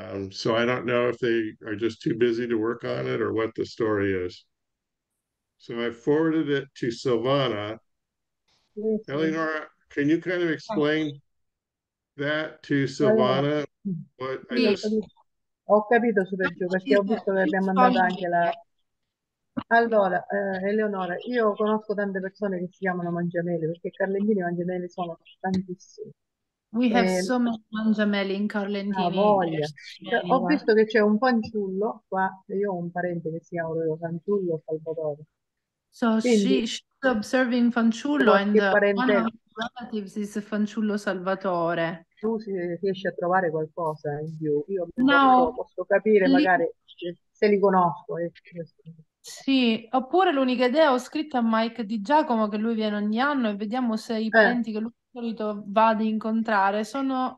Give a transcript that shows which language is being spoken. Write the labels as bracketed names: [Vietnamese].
[English] So I don't know if they are just too busy to work on it or what the story is. So I forwarded it to Silvana. Mm-hmm. Eleonora, can you kind of explain that to Silvana? What I just... [Italian] Ho capito, Sergio, perché ho visto che abbiamo mandato anche la... Allora, Eleonora, io conosco tante persone che si chiamano Mangiamelli, perché Carlentini e Mangiamelli sono tantissimi. [English] We have so many Mangiamelli in Carlentini. [Italian] Voglia. Ho visto che c'è un fanciullo qua, io ho un parente che si chiama proprio Fanciullo Salvatore. [English] So quindi, she's observing Fanciullo and one of the relatives is Fanciullo Salvatore. [Italian] Tu riesci a trovare qualcosa in più? Io no, posso capire magari se li conosco. Sì, oppure l'unica idea, ho scritto a Mike DiGiacomo che lui viene ogni anno e vediamo se i parenti che lui di solito va ad incontrare sono...